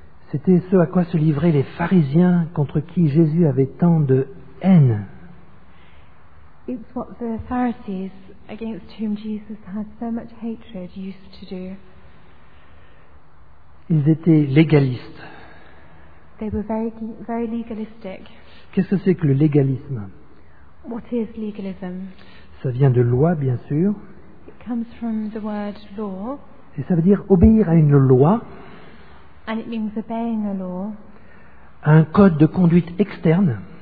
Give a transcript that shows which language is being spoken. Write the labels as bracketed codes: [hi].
[fr] C'était ce à quoi se livraient les pharisiens contre qui Jésus avait tant de haine. [en] It's what the Pharisees against whom Jesus had so much hatred used to do. [fr] Ils étaient légalistes. [en] They were very, very legalistic. [fr] Qu'est-ce que c'est que le légalisme? [en] What is legalism? [fr] Ça vient de loi, bien sûr. [en] It comes from the word law. [fr] Et ça veut dire obéir à une loi, [en] and it means obeying a law, [fr] à un code de conduite externe,